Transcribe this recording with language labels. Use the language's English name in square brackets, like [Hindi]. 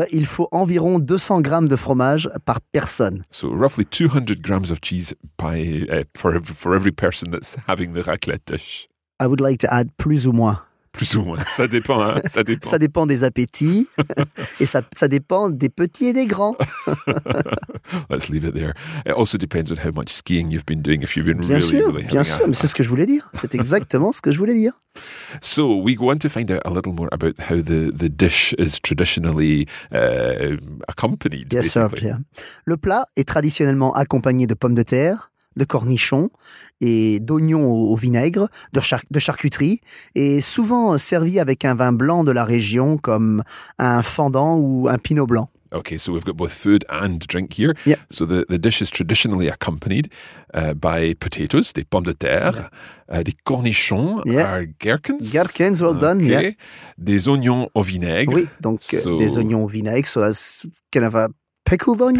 [French] Il faut environ 200 grammes de fromage par personne. [English] So roughly 200 grams of cheese for every person that's having the raclette dish. I would like to add [French] plus ou moins. Plus ou moins, ça dépend, hein? Ça dépend. Ça dépend des appétits et ça dépend des petits et des grands. [English] Let's leave it there. It also depends on how much skiing you've been doing, if you've been [French] bien [English] really, [French] sûr, [English] really [French] bien sûr, mais c'est ce que je voulais dire. C'est exactement ce que je voulais dire. [English] So we go on to find out a little more about how the dish is traditionally accompanied. Yes, basically. Sir, Pierre. [French] Le plat est traditionnellement accompagné de pommes de terre, de cornichons et d'oignons au vinaigre, de charcuterie, et souvent servi avec un vin blanc de la région comme un fendant ou un pinot blanc. [English] Okay, so we've got both food and drink here. Yep. So the dish is traditionally accompanied by potatoes, [French] des pommes de terre, des cornichons, [English] are gherkins. Gherkins, well done, okay. [French] Des oignons au vinaigre. Oui, donc des oignons au vinaigre, [English] so that's kind of a... Pickled onions?